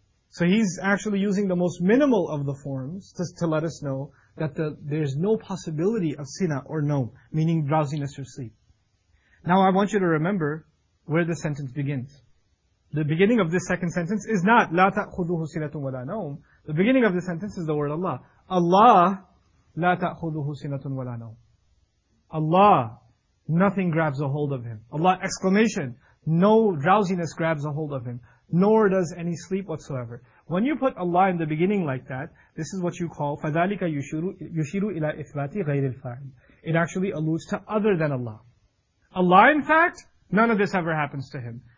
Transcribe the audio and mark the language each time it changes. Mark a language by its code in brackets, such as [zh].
[en] So he's actually using the most minimal of the forms to let us know that there's no possibility of sina or no, meaning drowsiness or sleep. Now I want you to remember where the sentence begins. The beginning of this second sentence is not [ar] لا تأخذه سنة ولا نوم. [en] The beginning of the sentence is the word Allah. [ar] Allah, لا تأخذه سنة ولا نوم. [en] Allah, nothing grabs a hold of him. Allah, exclamation, no drowsiness grabs a hold of him, nor does any sleep whatsoever. When you put Allah in the beginning like that, this is what you call [ar] فَذَلِكَ يُشِيرُ إِلَىٰ إِثْبَاتِ غَيْرِ الْفَعْلِ. [en] It actually alludes to other than Allah. Allah, in fact, none of this ever happens to him.